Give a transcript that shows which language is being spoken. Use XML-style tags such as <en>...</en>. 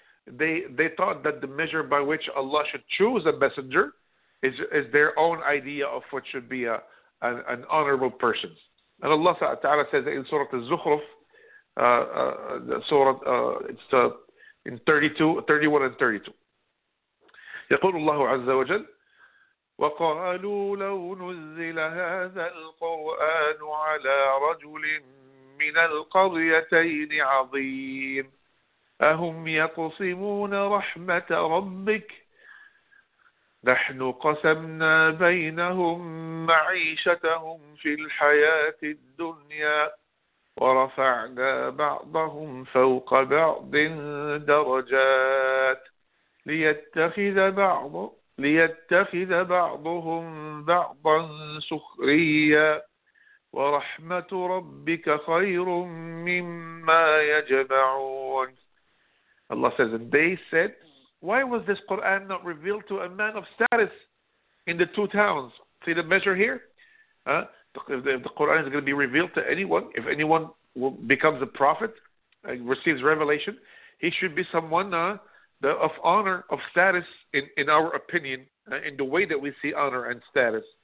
<en>They thought that the measure by which Allah should choose a messenger is their own idea of what should be an honorable person. And Allah Ta'ala says in Surah Al-Zukhruf, in 31 and 32.</en> <ar>يقول الله عز وجل وقالوا لو نزل هذا القرآن على رجل من القريتين عظيم أهم يقسمون رحمة ربك نحن قسمنا بينهم معيشتهم في الحياة الدنيا ورفعنا بعضهم فوق بعض درجات ليتخذ بعضهم بعضا سخريا ورحمة ربك خير مما يجمعون.</ar> <en>Allah says, and they said, why was this Quran not revealed to a man of status in the two towns? See the measure here? If the Quran is going to be revealed to anyone, if anyone becomes a prophet and receives revelation, he should be someone of honor, of status, in our opinion, in the way that we see honor and status.</en>